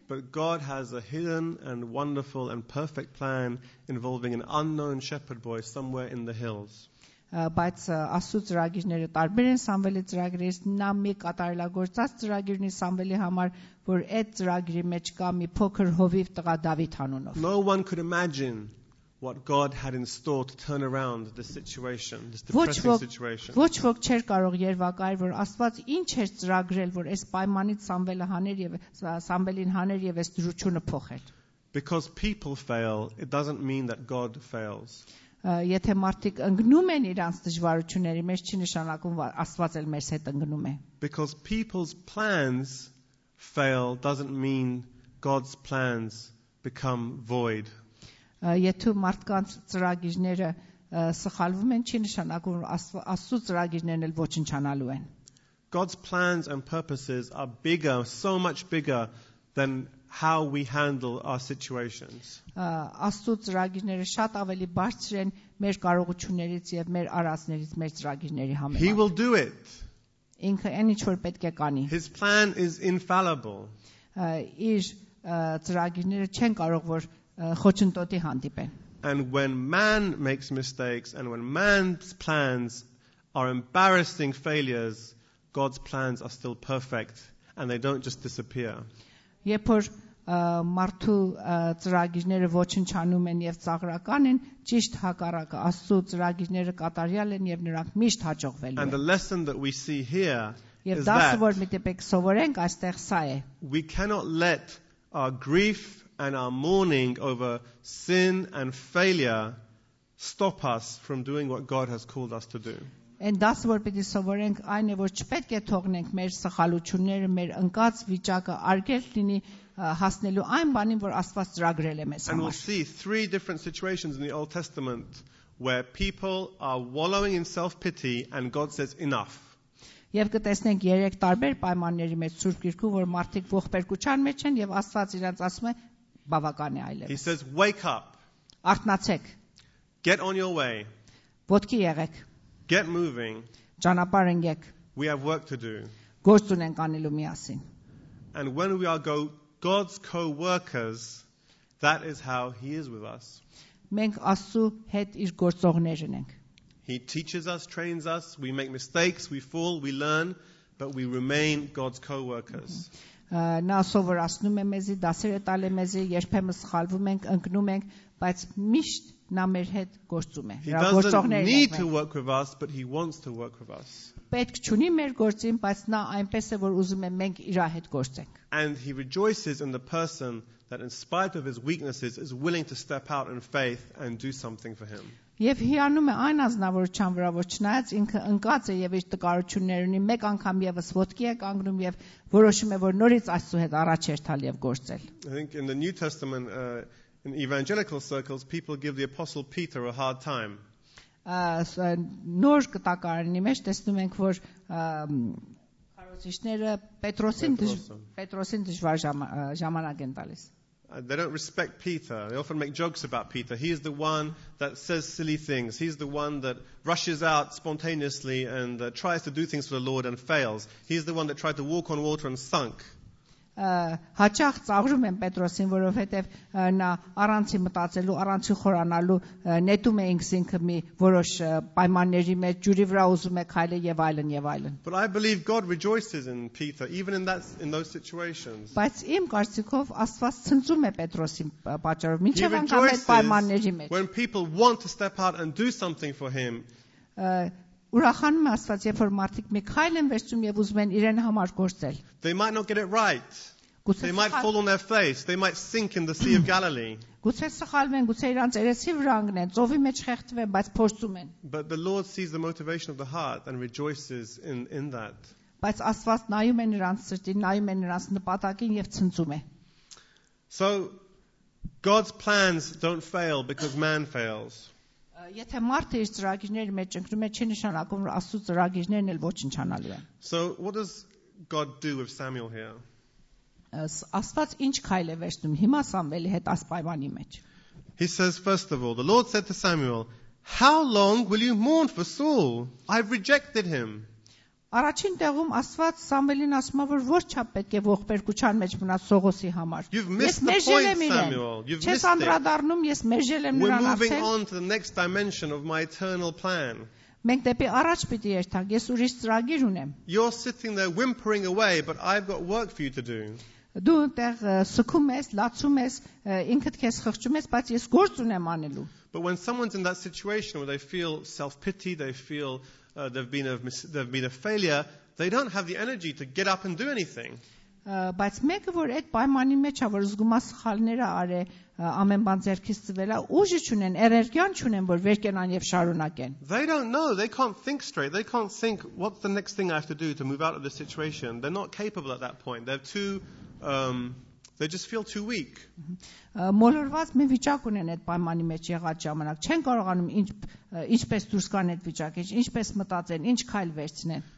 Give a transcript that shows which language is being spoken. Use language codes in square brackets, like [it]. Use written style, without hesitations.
[en] But God has a hidden and wonderful and perfect plan involving an unknown shepherd boy somewhere in the hills. [hy] Բայց Աստուծո ծրագիրները տարբեր են Սամվելի ծրագրից, նա մի կատարելագործած ծրագիրն է Սամվելի համար, որ այդ ծրագրի մեջ կա մի փոքր հովիվ տղա Դավիթ անունով։ [en] No one could imagine what God had in store to turn around the situation, this depressing situation. [hy] Ոչ ոք չէր կարող երևակայել, որ Աստված ինչ էր ծրագրել, որ այս պայմանից Սամվելը հաներ եւ Սամվելին հաներ եւ այս դրությունը փոխել։ [en] Because people fail, it doesn't mean that God fails. [hy] Եթե մարդիկ ընկնում են իրանց դժվարությունների մեջ, չի նշանակում որ Աստված էլ մեզ հետ ընկնում է. [en] Because people's plans fail doesn't mean God's plans become void. [hy] Եթե մարդկանց ծրագիրները սխալվում են, չի նշանակում որ Աստուծո ծրագիրներն էլ ոչնչանալու են. [en] God's plans and purposes are bigger, so much bigger than how we handle our situations. [hy] Աստուծո ծրագիրները շատ ավելի բարձր են մեր կարողություններից եւ մեր արածներից մեր ծրագիրների համեմատ։ [en] He will do it. [hy] Ինքը այնինչ որ պետք է կանի։ [en] His plan is infallible. [hy] Իր ծրագիրները չեն կարող որ խոչընդոտի հանդիպեն։ [en] And when man makes mistakes and when man's plans are embarrassing failures, God's plans are still perfect and they don't just disappear. [hy] Երբ որ մարդու ծրագիրները ոչնչանում են եւ ծաղրական են, ճիշտ հակառակը, Աստծո ծրագիրները կատարյալ են եւ նրանք միշտ հաջողվելու են։ [en] And the lesson that we see here is that [hy] Եվ դա որ մի տեպեք սովորենք այստեղ սա է։ [en] We cannot let our grief and our mourning over sin and failure stop us from doing what God has called us to do. [hy] Ենդաս որ պիտի սովորենք այն է որ չպետք է թողնենք մեր սխալությունները մեր ընկած վիճակը արգել լինի հասնելու այն բանին որ Աստված ծրագրել է մեզ համար. [en] And we'll see three different situations in the Old Testament where people are wallowing in self-pity and God says enough. [hy] Եվ կտեսնենք երեք տարբեր պայմանների մեջ Սուրբ Գիրքում որ մարդիկ ողբերգության մեջ են եւ Աստված իրենց ասում է բավական է այլևս. [en] He says wake up. [hy] Արթնացեք. [en] Get on your way. [hy] Ոտքի եղեք. [en] Get moving. [hy] Ճանապարհ ընկեք. [en] We have work to do. [hy] Գործ ունենք անելու միասին. [en] And when we are God's co-workers, that is how he is with us. [hy] Մենք Աստծո հետ իր գործողներ ենք. [en] He teaches us, trains us, we make mistakes, we fall, we learn, but we remain God's co-workers. [hy] Նա սովորացնում է մեզ, դասեր է տալիս մեզ, երբեմն սխալվում ենք, ընկնում ենք, բայց միշտ նա մեր հետ գործում է։ Նրա գործողները։ [en] He doesn't need to work with us, but he wants to work with us. [hy] Պետք չունի մեր գործին, բայց նա այնպես է, որ ուզում է մենք իր հետ գործենք։ [en] And he rejoices in the person that in spite of his weaknesses is willing to step out in faith and do something for him. [hy] Եվ հիանում է այն ազնվորության վրա, որ չնայած ինքը ընկած է եւ իր տկարություններ ունի, մեկ անգամ եւս ոտքի է կանգնում եւ որոշում է, որ նորից Աստծո հետ առաջ էր տալ եւ գործել։ [en] I think in the New Testament in evangelical circles people give the apostle Peter a hard time. [hy] Նոր կտակարանի մեջ տեսնում ենք, որ քարոզիչները Պետրոսին դժվար ժամանակ են տալիս։ [en] They don't respect Peter. They often make jokes about Peter. He is the one that says silly things. He's the one that rushes out spontaneously and tries to do things for the Lord and fails. He's the one that tried to walk on water and sunk. [hy] Հաճախ ծաղրում են Պետրոսին, որովհետև նա առանց մտածելու, առանց խորանալու նետում է ինքսինքը մի որոշ պայմանների մեջ ջրի վրա ուզում է քայլել եւ այլն եւ այլն։ [en] But I believe God rejoices in Peter even in that in those situations. [hy] Բայց իմ կարծիքով Աստված ցնծում է Պետրոսին պատճառով, ոչ միայն այդ պայմանների մեջ։ [en] When people want to step out and do something for him, [hy] Ուրախանում եմ Աստված, երբ որ մարդիկ մի քայլ են վերցում եւ ուզում են իրեն համար գործել։ [en] They might not get it right. They might fall on their face. They might sink in the Sea of Galilee. [hy] Գուցե սխալվեն, գուցե իրանց երեսի վրա անգնեն, ծովի մեջ խեղդվեն, բայց փորձում են։ [en] But the Lord sees the motivation of the heart and rejoices in that. [hy] Բայց Աստված նայում է նրանց սրտին, նայում է նրանց նպատակին եւ ցնծում է։ [en] So God's plans don't fail because man fails. [hy] Եթե մարդը իր ծրագիրների մեջ ընկնում է, չի նշանակում, որ Աստծո ծրագիրներն էլ ոչնչանալու են։ [en] So what does God do with Samuel here? [hy] Աստված ինչ քայլ է վերցնում հիմա Սամվելի հետ աս պայմանի մեջ։ [en] He says first of all, the Lord said to Samuel, "How long will you mourn for Saul? I've rejected him." [hy] Առաջին տեղում Աստված Սամվելին ասում է, որ ոչ չա պետք է ողբերգության մեջ մնաց Սողոսի համար։ [en] You've missed the point, Samuel. You've missed it. [hy] Չես անդրադառնում, ես մերժել եմ նրան արդեն։ [en] We're moving on to the next dimension of my eternal plan. [hy] Մենք դեպի առաջ պիտի երթանք, ես ուրիշ ծրագիր ունեմ։ [en] You're sitting there whimpering away, but I've got work for you to do. [hy] Դու այնտեղ սկում ես, լացում ես, ինքդ քեզ խղճում ես, բայց ես գործ ունեմ անելու։ [en] But when someone's in that situation where they feel self-pity, they feel they've been a failure, they don't have the energy to get up and do anything. [hy] Բայց մեկը որ այդ պայմանի մեջ է, որ զգում է սխալները արե, ամեն բան ձերքից ծվելա, ուժը չունեն, էներգիան չունեն, որ վերկենան եւ շարունակեն։ [en] They don't know, they can't think straight. They can't think what's the next thing I have to do to move out of the situation. They're not capable at that point. They're too they just feel too weak. [hy] Մոլորված մի վիճակ ունեն այդ պայմանի մեջ եղած ժամանակ, չեն կարողանում ինչպես դուրս գան այդ վիճակից, ինչպես մտածեն, ինչ քայլ վերցնեն։